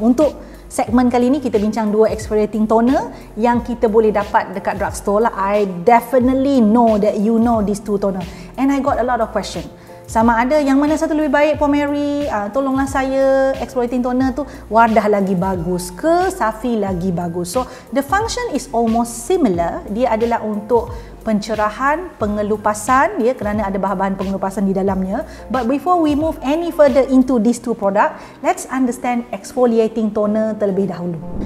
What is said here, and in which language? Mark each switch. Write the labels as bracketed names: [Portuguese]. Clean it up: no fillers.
[Malay] Untuk segmen kali ini kita bincang dua exfoliating toner yang kita boleh dapat dekat drugstore lah. [English] I definitely know that you know these two toner and I got a lot of question. [Malay] Sama ada yang mana satu lebih baik, Puan Mary, tolonglah saya, exfoliating toner tu Wardah lagi bagus ke Safi lagi bagus. [English] So the function is almost similar. [Malay] Dia adalah untuk pencerahan, pengelupasan, ya, kerana ada bahan-bahan pengelupasan di dalamnya. [English] But before we move any further into these two product, let's understand exfoliating toner [Malay] terlebih dahulu.